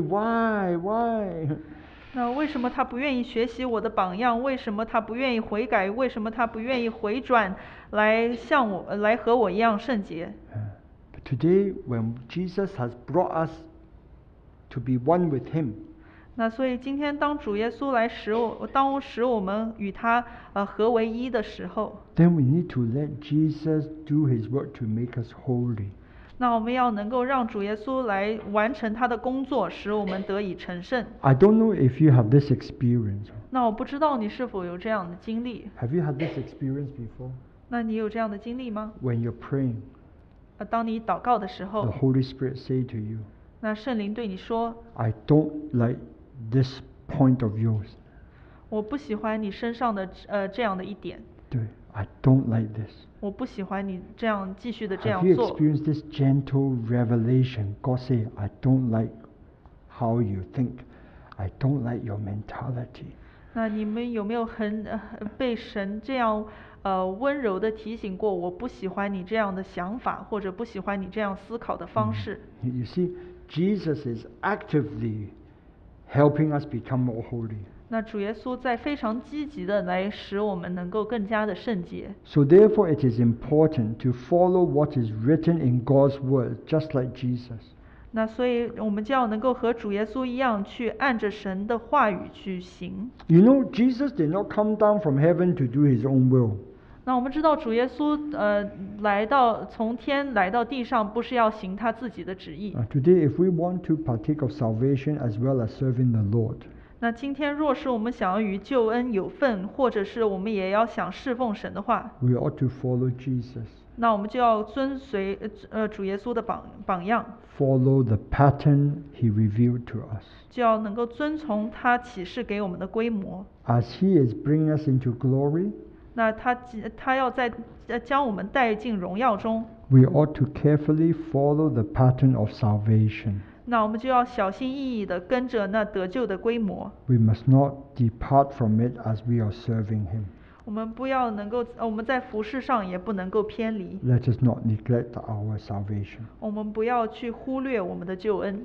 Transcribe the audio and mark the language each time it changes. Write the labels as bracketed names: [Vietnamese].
[English] Why? [Chinese] 那为什么他不愿意学习我的榜样？为什么他不愿意悔改？为什么他不愿意回转来向我来和我一样圣洁 [English] ？But today, when Jesus has brought us to be one with him. [Chinese] 那所以今天当主耶稣来使我当使我们与他合为一的时候 [English] Then we need to let Jesus do his work to make us holy. [Chinese] 那我们要能够让主耶稣来完成他的工作使我们得以成圣 [English] I don't know if you have this experience. [Chinese] 那我不知道你是否有这样的经历 [English] Have you had this experience before? [Chinese] 那你有这样的经历吗 [English] When you're praying, [Chinese] 当你祷告的时候 [English] The Holy Spirit say to you, [Chinese] 那圣灵对你说 [English] I don't likeThis point of yours. [Chinese] 我不喜欢你身上的这样的一点。 [English] 对 ，I don't like this. [Chinese] 我不喜欢你这样继续的这样做。 [English] Have you experienced this gentle revelation? God say, I don't like how you think. I don't like your mentality. [Chinese] 那你们有没有很被神这样温柔的提醒过？我不喜欢你这样的想法，或者不喜欢你这样思考的方式。 [English] You see, Jesus is actively. Helping us become more holy. [Chinese] 那主耶稣在非常积极的来使我们能够更加的圣洁。 [English] So therefore, it is important to follow what is written in God's word, just like Jesus. [Chinese] 那所以我们就要能够和主耶稣一样去按着神的话语去行。 [English] You know, Jesus did not come down from heaven to do his own will. [Chinese] 那我们知道主耶稣来到从天来到地上不是要行他自己的旨意。 [English] Today, if we want to partake of salvation as well as serving the Lord, [Chinese] 那今天若是我们想要与救恩有份，或者是我们也要想侍奉神的话 [English] ，we ought to follow Jesus. [Chinese] 那我们就要遵随主耶稣的榜样。 [English] Follow the pattern he revealed to us. [Chinese] 就要能够遵从他启示给我们的规模。 [English] As he is bringing us into glory. [Chinese] 那他要在将我们带进荣耀中。 [English] We ought to carefully follow the pattern of salvation. [Chinese] 那我们就要小心翼翼地跟着那得救的规模。 [English] We must not depart from it as we are serving him. [Chinese] 我们不要能够，我们在服事上也不能够偏离。 [English] Let us not neglect our salvation. [Chinese] 我们不要去忽略我们的救恩。